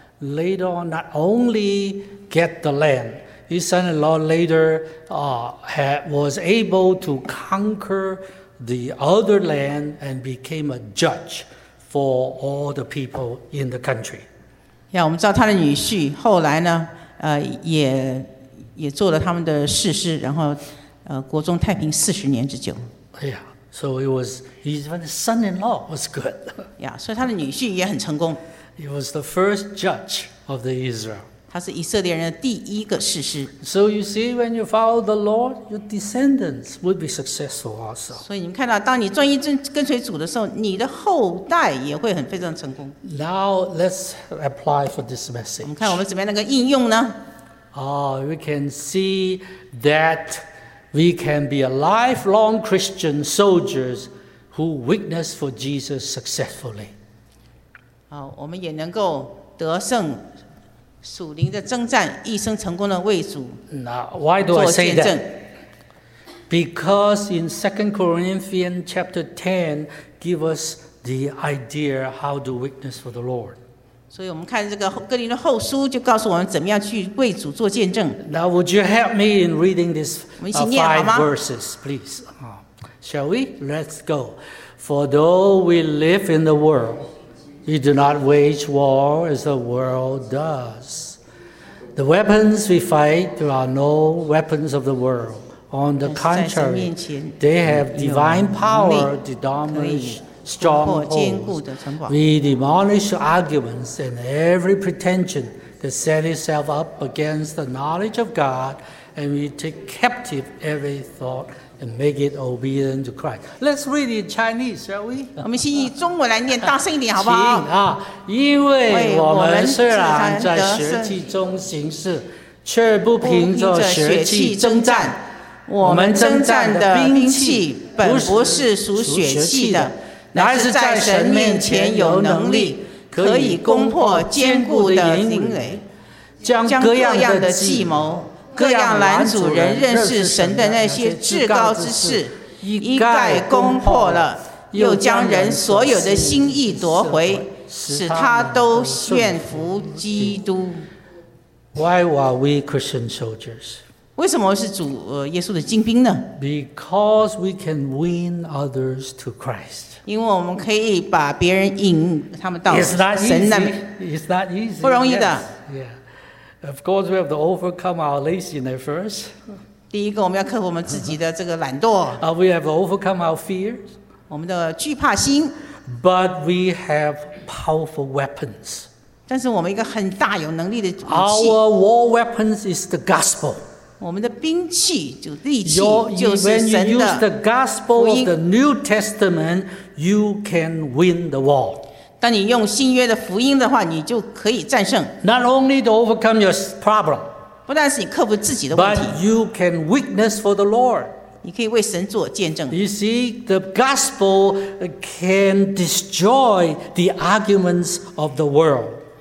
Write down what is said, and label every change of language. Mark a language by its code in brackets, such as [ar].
[en] Later on, not only get the land, his son-in-law later was able to conquer the other land and became a judge for all the people in the country. [zh] Yeah, 我们知道他的女婿后来呢，也做了他们的世事，然后国中太平四十年之久。 [en] Yeah, so it was even his son-in-law was good. [zh] Yeah, 所以他的女婿也很成功。 [en] He was the first judge of the Israel. [zh] 他是以色列人的第一个士师。 [en] So you see, when you follow the Lord, your descendants would be successful also. [zh] 所以你们看到，当你专一跟随主的时候，你的后代也会很非常成功。 [en] Now let's apply for this message. [zh] 我们看我们怎么样能够应用呢？ [en] We can see that we can be a lifelong Christian soldiers who witness for Jesus successfully. [zh] 好，我们也能够得胜属灵的征战，一生成功的为主做见证。 [en] Now, why do I say that? Because in 2 Corinthians chapter 10 give us the idea how to witness for the Lord. [zh] 所以我们看这个哥林多后书就告诉我们怎么样去为主做见证。 [en] Now, would you help me in reading these five verses, please? Shall we? Let's go. For though we live in the world,We do not wage war as the world does. The weapons we fight are no weapons of the world. On the contrary, they have divine power to demolish strongholds. We demolish arguments and every pretension that sets itself up against the knowledge of God, and we take captive every thought. And make it obedient to Christ. Let's read in Chinese, shall we? [zh] 我们先以中文来念，大声一点，好不好？请啊，因为我们虽然在血气中行事，却不凭着血气征战。我们征战的兵器本不是属血气的，乃是在神面前有能力，可以攻破坚固的营垒，将各样的计谋。各样拦阻人认识神的那些至高之事一概攻破了又将人所有的心意夺回使他都顺服基督 [en] Why are we Christian soldiers? [zh] 为什么是主耶稣的精兵呢 [en] Because we can win others to Christ [zh] 因为我们可以把别人引他们到神那边 [en] It's not easy [zh] 不容易的 [en] yes, yes. Of course, we have to overcome our laziness first. [zh] 第一个，我们要克服我们自己的这个懒惰。 [en] We have to overcome our fears. [zh] 我们的惧怕心。 [en] But we have powerful weapons. [zh] 但是我们一个很大有能力的武器。 [en] Our war weapons is the gospel. [zh] 我们的兵器就利器就是神的福音。 [en] When you use the gospel of the New Testament, you can win the war. [zh] 当你用新约的福音的话，你就可以战胜。 [en] Not only to overcome your problem， [zh] 不但是你克服自己的问题 [en] ，but you can witness for the Lord。 [zh] 你可以为神做见证。 [en] You see, the gospel can destroy the arguments of the world。